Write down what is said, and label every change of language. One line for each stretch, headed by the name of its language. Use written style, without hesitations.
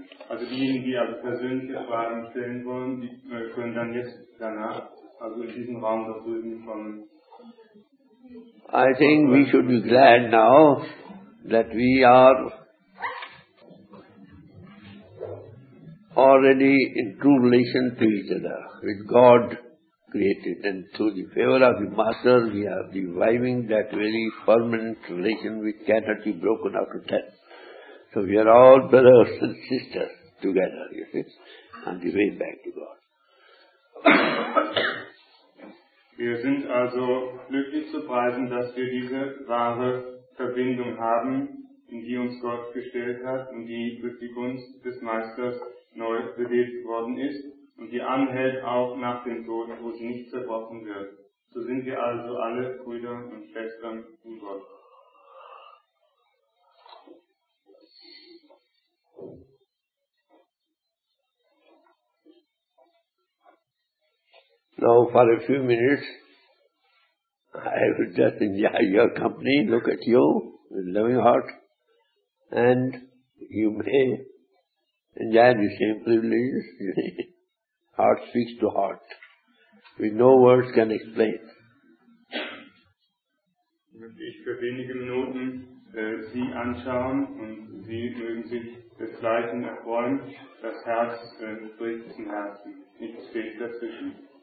German: Also diejenigen, die also persönliche Fragen stellen wollen, die können dann jetzt danach, also in diesem Raum da drüben von.
English: I think we should be glad now that we are already in true relation to each other, with God created, and through the favor of the Master, we are reviving that very permanent relation which cannot be broken after death. So we are all brothers and sisters together, you see, on the way back to God.
German: Wir sind also glücklich zu preisen, dass wir diese wahre Verbindung haben, in die uns Gott gestellt hat und die durch die Gunst des Meisters neu belebt worden ist und die anhält auch nach dem Tod, wo sie nicht zerbrochen wird. So sind wir also alle Brüder und Schwestern in Gott.
English: Now for a few minutes, I will just enjoy your company, look at you with loving heart, and you may enjoy the same privileges. Heart speaks to heart, which no words can explain.
German: Ich für wenige Minuten Sie anschauen und Sie mögen sich desgleichen erfreuen, das Herz spricht zum Herzen, nichts fehlt dazwischen.